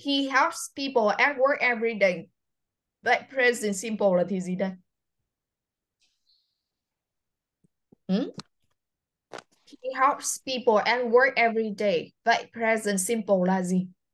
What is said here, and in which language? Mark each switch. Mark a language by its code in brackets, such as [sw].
[en] He helps people at work every day. [vi] Vậy present simple là gì đây? [en] He helps people at work every day. [vi] Vậy present simple là gì?